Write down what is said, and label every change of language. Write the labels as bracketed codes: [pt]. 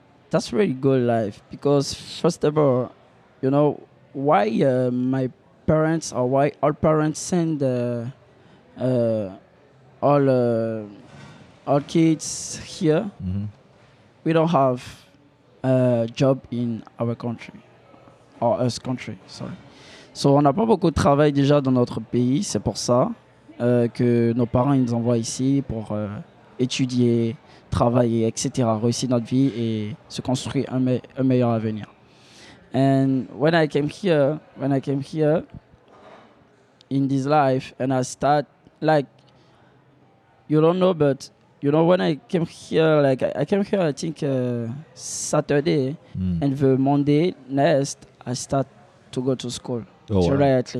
[en] That's really good life because, first of all, you know, why my parents or why our parents send all our kids here? We don't have a job in our country, or us country, sorry. [fr] So, on n'a pas beaucoup de travail déjà dans notre pays, c'est pour ça que nos parents ils nous envoient ici pour étudier, travailler, etc., réussir notre vie et se construire un meilleur avenir. [en] And when I came here in this life, and I start, like, you don't know, but you know, when I came here, like, I came here, I think Saturday, and the Monday next, I start to go to school directly.